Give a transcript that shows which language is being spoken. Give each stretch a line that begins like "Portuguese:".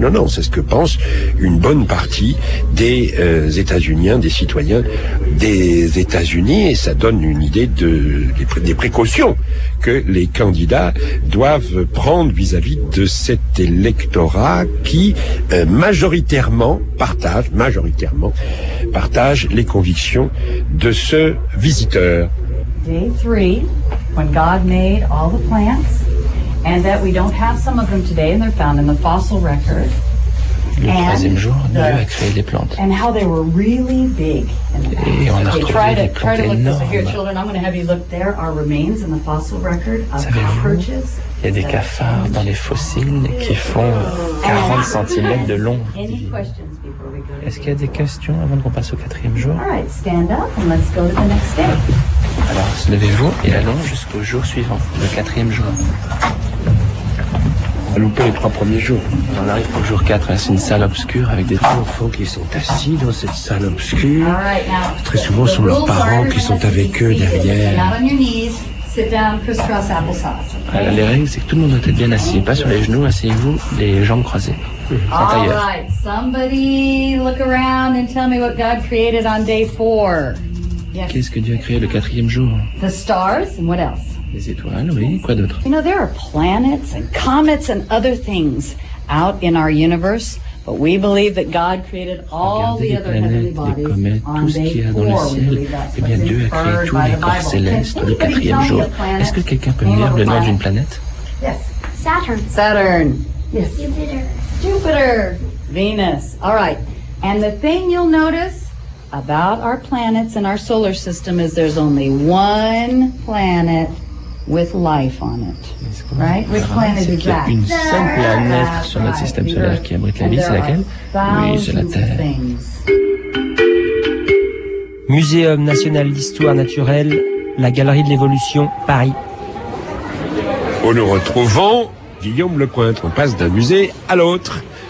French: Non, non, c'est ce que pense une bonne partie des États-Uniens, des citoyens des États-Unis, et ça donne une idée de des précautions que les candidats doivent prendre vis-à-vis de cet électorat qui majoritairement partage les convictions de ce visiteur.
English: Day 3, when God made all the plants, and that we don't have some of them today, and they're found in the fossil record.
French: Le troisième jour, Dieu a créé des plantes.
English: And how they were really big.
French: Et on a retrouvé des plantes énormes. Savez-vous, il y a des cafards dans les fossiles qui font 40 cm de long. Est-ce qu'il y a des questions avant qu'on passe au quatrième jour? Alors, levez-vous et allons jusqu'au jour suivant, le quatrième jour. On a loupé les trois premiers jours. On arrive au jour 4, hein. C'est une salle obscure avec des enfants qui sont assis dans cette salle obscure. Très souvent, ce sont leurs parents qui sont avec eux derrière. Alors, les règles, c'est que tout le monde doit être bien assis. Pas sur les genoux, asseyez-vous, les jambes croisées.
English: All right, somebody look around and tell me what God created on day 4.
French: Qu'est-ce que Dieu a créé le quatrième jour?
English: The stars and what else?
French: Les étoiles, oui, quoi d'autre?
English: You know, there are planets and comets and other things out in our universe, but we believe that God created all the other heavenly bodies on day 4. We believe that's what we've heard by the Bible. Can anybody tell me the planet? Name of a planet?
French: Est-ce que quelqu'un peut me dire le nom d'une planète?
English: Yes. Saturn. Saturn. Yes. Jupiter. Venus. All right. And the thing you'll notice about our planets and our solar system is there's only one planet with life on it. Right? Which planet is that?
French: Il y a une seule planète sur notre système solaire qui abrite la vie, c'est laquelle? Oui, c'est la Terre. Muséum national d'histoire naturelle, la Galerie de l'Évolution, Paris. En nous retrouvant, Guillaume Lecointre, on passe d'un musée à l'autre.